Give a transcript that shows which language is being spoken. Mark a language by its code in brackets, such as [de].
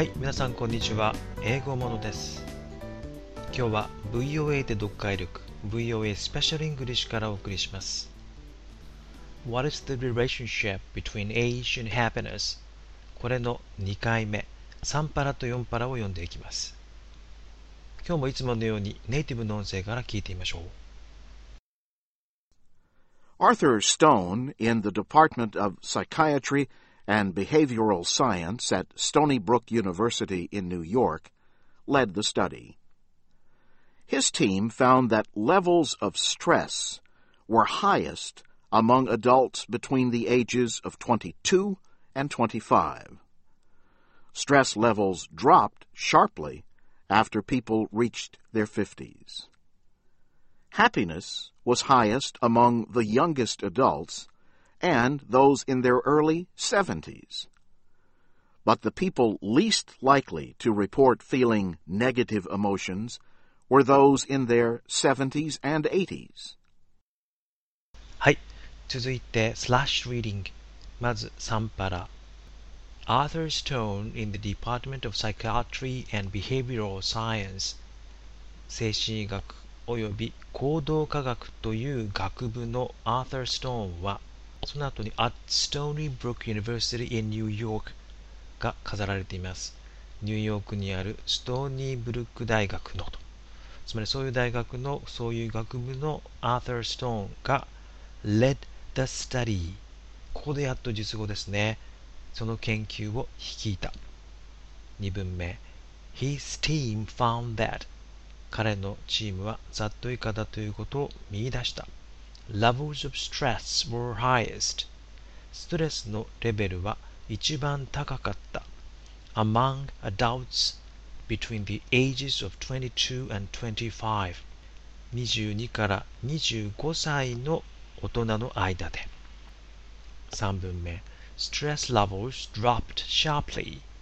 [ja] 皆さんこんにちは、英語モノです。今日は VOA で読解力、 VOA Special English からお送りします。 [en] What is the relationship between age and happiness? [ja] これの2回目、3パラと4パラを読んでいきます。今日もいつものようにネイティブの音声から聞いてみましょう。 [en] Arthur Stone in the Department of Psychiatryand Behavioral Science at Stony Brook University in New York, led the study. His team found that levels of stress were highest among adults between the ages of 22 and 25. Stress levels dropped sharply after people reached their 50s. Happiness was highest among the youngest adults,and those in their early 70s. But the people least likely to report feeling negative emotions were those in their 70s and 80s. [ja] はい、続いてスラッシュリーディング、まず3パラ。 [en] Arthur Stone in the Department of Psychiatry and Behavioral Science、 [ja] 精神医学および行動科学という学部の Arthur Stone は、その後に [en] At Stony Brook University in New York [ja] が飾られています。ニューヨークにあるストーニーブルック大学の、とつまりそういう大学の、そういう学部の Arthur Stone が [en] Led the study、 [ja] ここでやっと述語ですね。その研究を率いた。2文目、 [en] His team found that、 [ja] 彼のチームはざっと以下だということを見出した。 [en] Levels of stress were highest. [ja] ストレスのレベルは一番高かった。 [en] Among adults between the ages of 22 and 25. [ja] 22から25歳の大人の間で。 3文目。 [en] Stress levels dropped sharply.